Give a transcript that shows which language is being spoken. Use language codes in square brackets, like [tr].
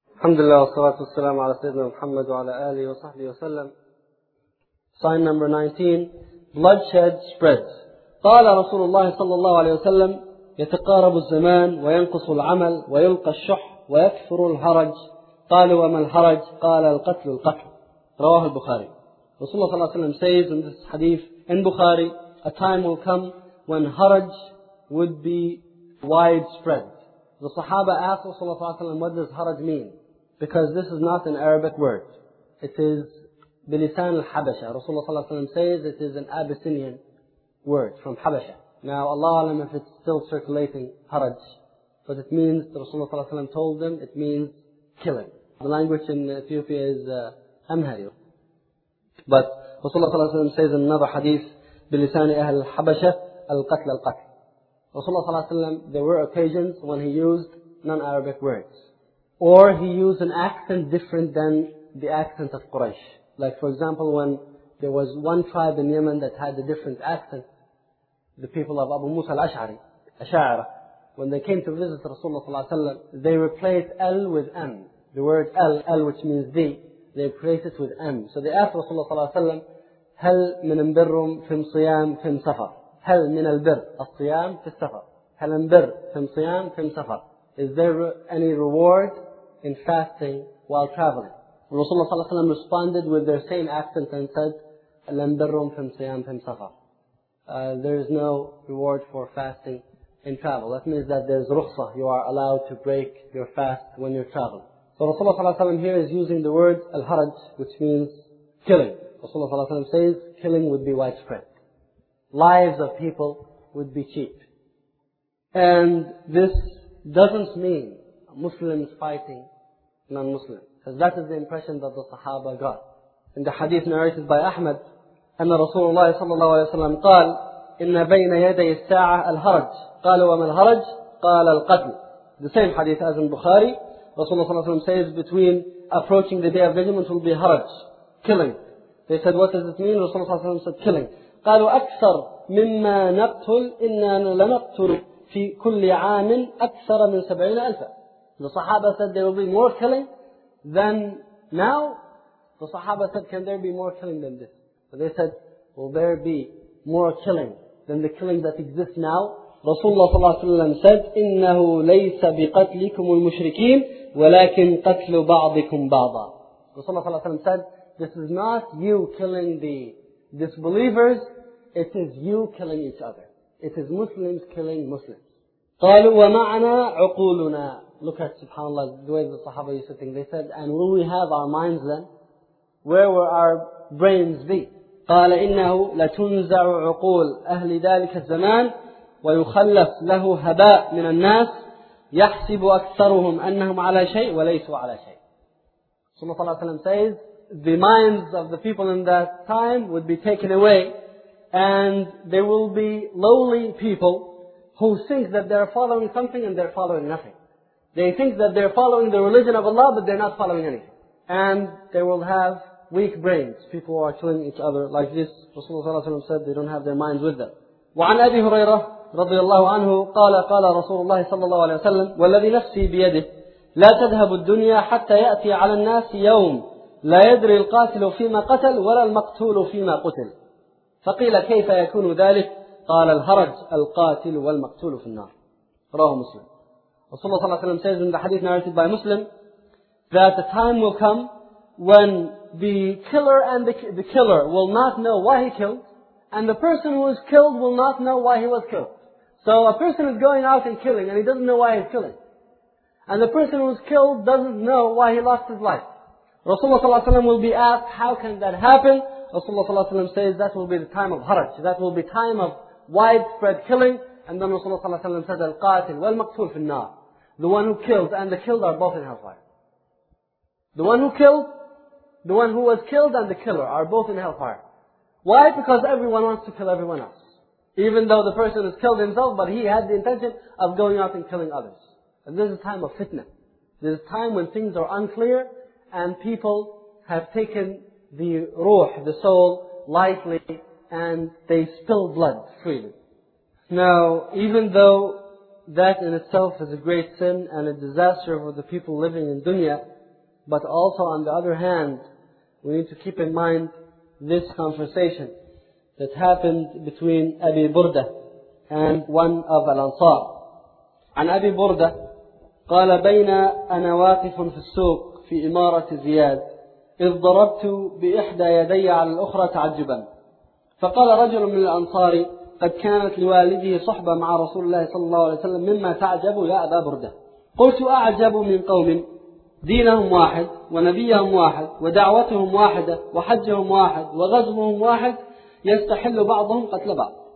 [ar] الحمد لله والصلاة والسلام على سيدنا محمد وعلى آله وصحبه وسلم. [en] Sign number 19, bloodshed spreads. [ar] قال رسول الله صلى الله عليه وسلم يتقارب الزمان وينقص العمل ويلقى الشح ويكثر الحرج. قال وما الحرج؟ قال القتل القتل. رواه البخاري. [en] رسول الله صلى الله عليه وسلم says in this hadith in Bukhari, a time will come when haraj would be widespread. The Sahaba asked Rasulullah صلى الله عليه وسلم, what does haraj mean? Because this is not an Arabic word. It is [ar] bilisan al-habasha. [en] Rasulullah صلى الله عليه وسلم says it is an Abyssinian word from Habasha. Now Allah alam if it's still circulating haraj. But it means, Rasulullah صلى الله عليه وسلم told them, it means killing. The language in Ethiopia is amhari. But Rasulullah صلى الله عليه وسلم says in another hadith, [ar] bilisan ahl al-habasha, al-qatl al-qatl. [en] Rasulullah, there were occasions when he used non-Arabic words. Or he used an accent different than the accent of Quraysh. Like for example, when there was one tribe in Yemen that had a different accent, the people of Abu Musa al-Ash'ari, Ash'ara, when they came to visit Rasulullah, they replaced Al with M. The word Al, which means the, they replaced it with M. [ar] So they asked Rasulullah, هل من برهم فيم صيام فيم سفر؟ هل من البر الصيام في السفر؟ هل من بر في الصيام في السفر؟ [en] Is there any reward in fasting while traveling? [ar] Rasulullah صلى الله عليه وسلم [en] responded with their same accent and said, [ar] لن برهم في الصيام في السفر. [en] There is no reward for fasting in travel. That means that there is رخصة. You are allowed to break your fast when you're traveling. So Rasulullah صلى الله عليه وسلم here is using the word الحرج, which means killing. Rasulullah صلى الله عليه وسلم says killing would be widespread. Lives of people would be cheap. And this doesn't mean Muslims fighting non-Muslims. Because that is the impression that the Sahaba got. In the hadith narrated by Ahmad, [ar] أن رسول الله صلى الله عليه وسلم قال, إن بين يدي الساعة الهرج. قال وما الهرج؟ قال القتل. [en] The same hadith as in Bukhari, Rasulullah صلى الله عليه وسلم says, between approaching the day of judgment will be haraj, killing. They said, what does it mean? [ar] Rasulullah صلى الله عليه وسلم [en] said, killing. [ar] قالوا أكثر مما نقتل إننا لنقتل في كل عام أكثر من 70,000. [en] The Sahaba said there will be more killing than now. The Sahaba said, can there be more killing than this? So they said, will there be more killing than the killing that exists now? [ar] Rasulullah صلى الله عليه وسلم said, إنه ليس بقتلكم المشركين ولكن قتل بعضكم بعضا. [en] Rasulullah صلى الله عليه وسلم said, this is not you killing the disbelievers, it is you killing each other. It is Muslims killing Muslims. [ar] قالوا ومعنا عقولنا. [en] Look at subhanAllah, the way the Sahaba is sitting. They said, and will we have our minds then? Where will our brains be? [ar] قال إنه لتنزع عقول أهل ذلك الزمان ويخلف له هباء من الناس يحسب أكثرهم أنهم على شيء وليسوا على شيء. [en] ثم صلى الله عليه وسلم says, the minds of the people in that time would be taken away, and there will be lowly people who think that they are following something and they are following nothing. They think that they are following the religion of Allah, but they are not following anything. And they will have weak brains, people who are killing each other like this. Rasulullah said they don't have their minds with them. [ar] وعن أبي هريرة رضي الله عنه قال قال رسول الله صلى الله عليه وسلم والذي نفسي بيده لا تذهب الدنيا حتى يأتي على الناس يوم لا يدري القاتل فيما قتل ولا المقتول فيما قتل. فقيل كيف يكون ذلك؟ قال الهرج القاتل والمقتول في النار. رواه مسلم. [en] رسول الله صلى الله عليه وسلم says in the hadith narrated by Muslim that a time will come when the killer and the killer will not know why he killed, and the person who was killed will not know why he was killed. So a person is going out and killing and he doesn't know why he's killing, and the person who was killed doesn't know why he lost his life. Rasulullah صلى الله عليه وسلم will be asked, how can that happen? Rasulullah صلى الله عليه وسلم says, that will be the time of haraj. That will be time of widespread killing. And then Rasulullah [ar] صلى الله عليه وسلم said, القاتل والمقتول في النار. [en] The one who kills and the killed are both in hellfire. The one who killed, the one who was killed and the killer are both in hellfire. Why? Because everyone wants to kill everyone else. Even though the person has killed himself, but he had the intention of going out and killing others. And this is a time of fitna. This is a time when things are unclear, and people have taken the ruh, the soul, lightly, and they spill blood freely. Now, even though that in itself is a great sin and a disaster for the people living in dunya, But also on the other hand, we need to keep in mind this conversation that happened between Abi Burda and one of Al-Ansar. [ar] عن أبي بردة قال بين أنا واقف في السوق في إمارة زياد إذ ضربت بإحدى يدي على الأخرى تعجبا فقال رجل من الأنصار قد كانت لوالده صحبة مع رسول الله صلى الله عليه وسلم مما تعجب يا أبا بردة قلت أعجب من قوم دينهم واحد ونبيهم واحد ودعوتهم واحدة وحجهم واحد وغزوهم واحد يستحل بعضهم قتل بعض